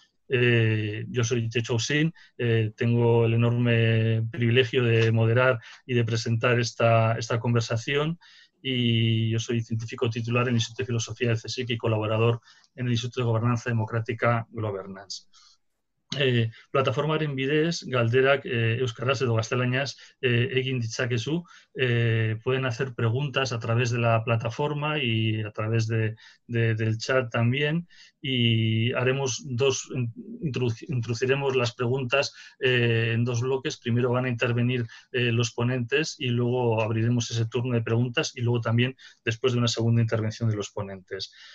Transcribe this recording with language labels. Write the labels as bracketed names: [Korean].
[Spanish] Yo soy Checho Usín, tengo el enorme privilegio de moderar y de presentar esta conversación y yo soy científico titular en el Instituto de Filosofía del CSIC y colaborador en el Instituto de Gobernanza Democrática Governance. [Basque] Plataformaren bidez, galderak euskaraz edo gaztelaniaz egin ditzakezu. [Spanish] Pueden hacer preguntas a través de la plataforma y a través del chat también. Y haremos introduciremos las preguntas en dos bloques. Primero van a intervenir los ponentes y luego abriremos ese turno de preguntas y luego también después de una segunda intervención de los ponentes.